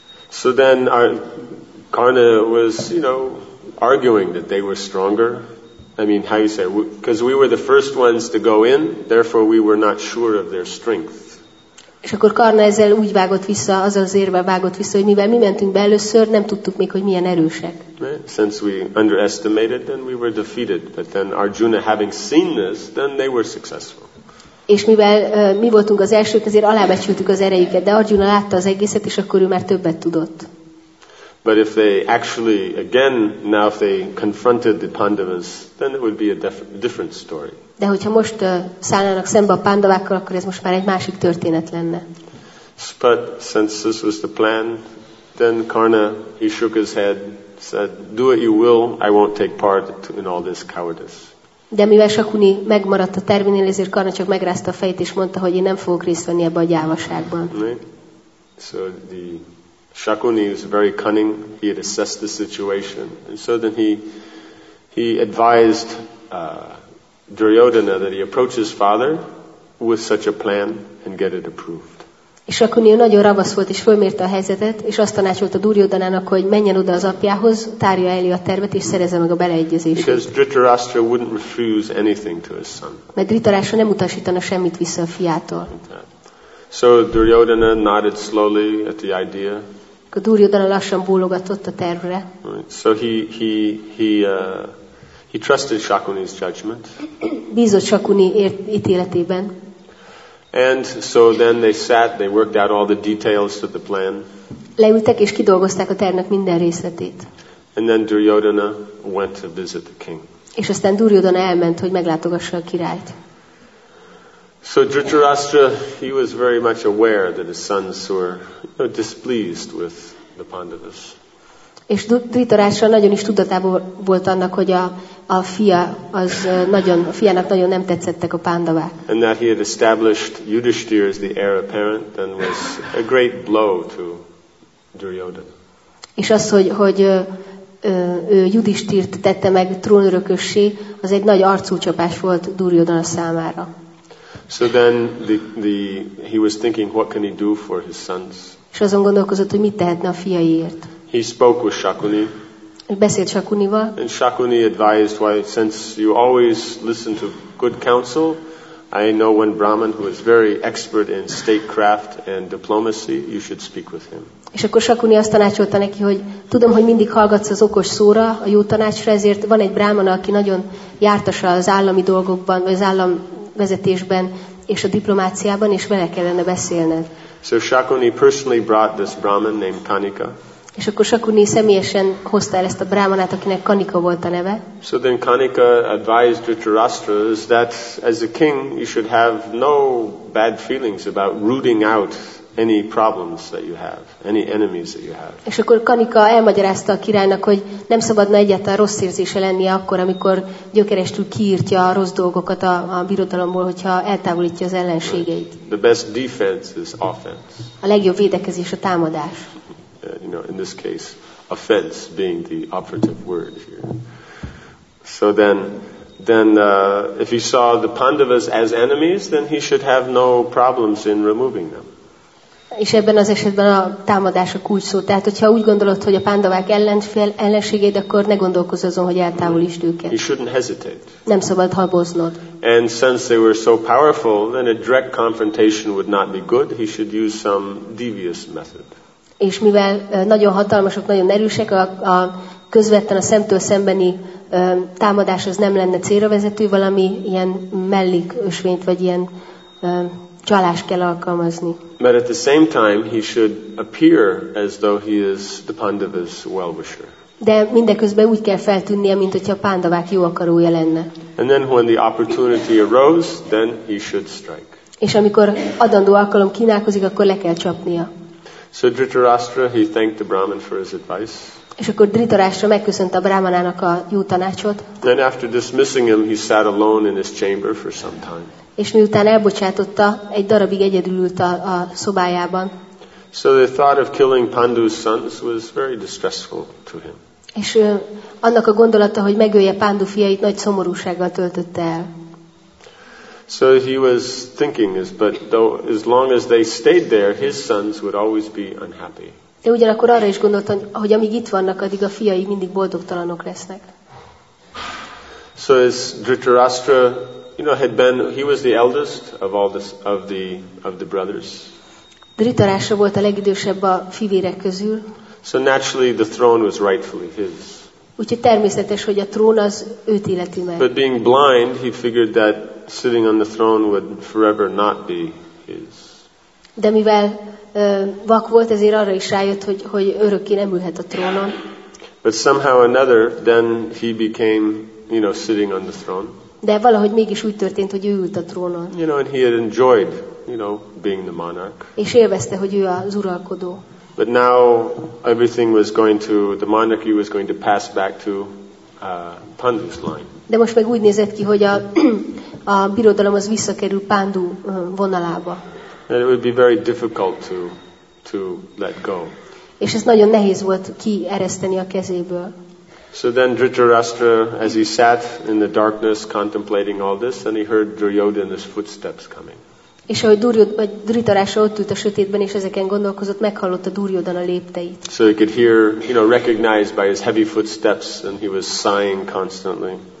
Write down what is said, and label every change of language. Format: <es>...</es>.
<en>So then Karna was, you know, arguing that they were stronger. I mean, how you say? Because we were the first ones to go in, therefore we were not sure of their strength.</en> <hu>És akkor Karna ezzel úgy vágott vissza, azzal az érvel vágott vissza, hogy mivel mi mentünk be először, nem tudtuk még, hogy milyen erősek.</hu> <en>Since we underestimated, then we were defeated. But then Arjuna having seen this, then they were successful.</en> <hu>És mivel mi voltunk az elsők, ezért alábecsültük az erejüket. De Arjuna látta az egészet, és akkor ő már többet tudott.</hu> <en>But if they actually, again, now if they confronted the Pandavas, then it would be a different story.</en> <hu>De hogyha most szállnának szembe a Pandavákkal, akkor ez most már egy másik történet lenne.</hu> <en>But since this was the plan, then Karna, he shook his head, said, do what you will, I won't take part in all this cowardice.</en> <hu>De mivel Shakuni megmaradt a terminél, ezért Karna csak megrázta a fejét, és mondta, hogy én nem fogok részt venni ebbe a gyávaságban.</hu> <en>Right. So the Shakuni is very cunning, he had assessed the situation, and so then he advised Duryodhana that he approach his father with such a plan and get it approved.</en> <hu>És Shakuni nagyon ravasz volt és fölmérte a helyzetet, és azt tanácsolta Duryodhanának, hogy menjen oda az apjához, tárja elő a tervet és szerezze meg a beleegyezést.</hu> <en>Because Dhritarashtra wouldn't refuse anything to his son.</en> <hu>Mert Dhritarashtra nem utasítana semmit vissza a fiától.</hu> <en>So Duryodhana nodded slowly at the idea.</en> <hu>Akkor Duryodhana lassan bólogatott a tervre.</hu> <en>Right. So he trusted Shakuni's judgment.</en> <hu>Bízott Shakuni ítéletében.</hu> <en>And so then they sat, they worked out all the details of the plan.</en> <hu>Leültek és kidolgozták a tervnek minden részletét.</hu> <en>And then Duryodhana went to visit the king.</en> <hu>És aztán Duryodhana elment, hogy meglátogassa a királyt.</hu> <en>So Dhritarashtra, he was very much aware that his sons were, you know, displeased with the Pandavas.</en> <hu>És Dhritarashtra nagyon is tudatában volt annak, hogy a fia az nagyon, a fiának nagyon nem tetszettek a Pandavák.</hu> <en>And that he had established Yudhishthira as the heir apparent, then was a great blow to Duryodhana.</en> <hu>És az, hogy ő Yudhishthirt tette meg trónörökössé, az egy nagy arcúcsapás volt Duryodhana számára.</hu> <en>So then he was thinking, what can he do for his sons?</en> <hu>És azon gondolkozott, hogy mit tehetne a fiaiért.</hu> <en>He spoke with Shakuni.</en> <hu>Beszélt Shakunival.</hu> <en>And Shakuni advised, why, since you always listen to good counsel, I know one Brahmin who is very expert in statecraft and diplomacy, you should speak with him.</en> <hu>És akkor Shakuni azt tanácsolta neki, hogy tudom, hogy mindig hallgatsz az okos szóra, a jó tanácsra, ezért van egy Brahmin, aki nagyon jártas az állami dolgokban, vagy az állam vezetésben, és a diplomáciában is vele kellene beszélned.</hu> <en>So Shakuni personally brought this Brahmin named Kanika.</en> <hu>És akkor Shakuni személyesen hozta el ezt a brámanát, akinek Kanika volt a neve.</hu> <en>So then Kanika advised Dhritarashtra that as a king you should have no bad feelings about rooting out any problems that you have, any enemies that you have.</en> <hu>És akkor Kanika elmagyarázta a királynak, hogy nem szabadna egyáltalán rossz érzése lennie akkor, amikor gyökerestül kiírtja a rossz dolgokat a birodalomból, hogyha eltávolítja az ellenségeit.</hu> <en>The best defense is offense.</en> <hu>A legjobb védekezés a támadás.</hu> <en>You know, in this case, offense being the operative word here. So then if he saw the Pandavas as enemies, then he should have no problems in removing them.</en> <hu>És ebben az esetben a támadás a kulcsszó. Tehát, hogyha úgy gondolod, hogy a pándavák ellenségeid, akkor ne gondolkozz azon, hogy eltávolítsd őket.</hu> <en>You shouldn't hesitate.</en> <hu>Nem szabad haboznod.</hu> <en>And since they were so powerful, then a direct confrontation would not be good. He should use some devious method.</en> <hu>És mivel nagyon hatalmasok, nagyon erősek, a közvetlen a szemtől szembeni támadás az nem lenne célra vezető, valami ilyen mellékösvényt, vagy ilyen csalást kell alkalmazni.</hu> <en>But at the same time he should appear as though he is the Pandavas' well-wisher.</en> <hu>De mindeközben úgy kell feltűnnie, mint hogyha a pándavák jó akarója lenne.</hu> <en>And then when the opportunity arose, then he should strike.</en> <hu>És amikor adandó alkalom kínálkozik, akkor le kell csapnia.</hu> <en>So Dhritarashtra, he thanked the Brahmin for his advice.</en> <hu>És akkor Dhritarashtra megköszönte a brahmanának a jó tanácsot.</hu> <en>Then after dismissing him, he sat alone in his chamber for some time.</en> <hu>És miután elbocsátotta, egy darabig egyedül ült a szobájában.</hu> <en>So the thought of killing Pandu's sons was very distressful to him.</en> <hu>És annak a gondolata, hogy megölje Pandu fiait, nagy szomorúsággal töltötte el.</hu> <en>So he was thinking, as long as they stayed there, his sons would always be unhappy.</en> <hu>De ugyanakkor arra is gondolta, hogy amíg itt vannak, addig a fiai mindig boldogtalanok lesznek.</hu> <en>So as Dhritarashtra, you know, had been, he was the eldest of all this, of the brothers.</en> <hu>Dhritarashtra volt a legidősebb a fivérek közül.</hu> <en>So naturally the throne was rightfully his.</en> <hu>Úgyhogy természetes, hogy a trón az őt illeti meg.</hu> <en>But being blind, he figured that sitting on the throne would forever not be his.</en> <hu>De mivel vak volt, ezért arra is rájött, hogy örökké nem ülhet a trónon.</hu> <en>But somehow another, then he became, you know, sitting on the throne.</en> <hu>De valahogy mégis úgy történt, hogy ő ült a trónon.</hu> <en>You know, and he had enjoyed, you know, being the monarch.</en> <hu>És élvezte, hogy ő az uralkodó.</hu> <en>But now everything was going to, the monarchy was going to pass back to Pandu's line.</en> <hu>De most meg úgy nézett ki, hogy a birodalom az visszakerül Pandu vonalába.</hu> <en>And it would be very difficult to let go.</en> <hu>És ez nagyon nehéz volt kiereszteni a kezéből.</hu> <en>So then Dhritarashtra, as he sat in the darkness contemplating all this, and he heard Duryodhana's footsteps coming.</en> <hu>És ahogy Dhritarashtra ott ült a sötétben, és ezeken gondolkozott, meghallott a Duryodhana lépteit.</hu> <en>So he could hear, you know, recognized by his heavy footsteps, and he was sighing constantly.</en>